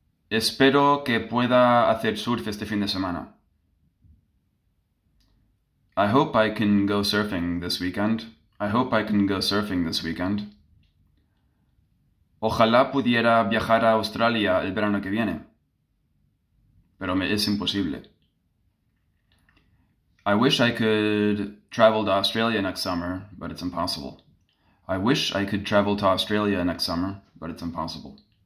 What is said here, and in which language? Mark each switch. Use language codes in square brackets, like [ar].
[es] Espero que pueda hacer surf este fin de semana. [en] I hope I can go surfing this weekend. I hope I can go surfing this weekend. [es] Ojalá pudiera viajar a Australia el verano que viene, pero me es imposible. [en] I wish I could travel to Australia next summer, but it's impossible. I wish I could travel to Australia next summer, but it's impossible.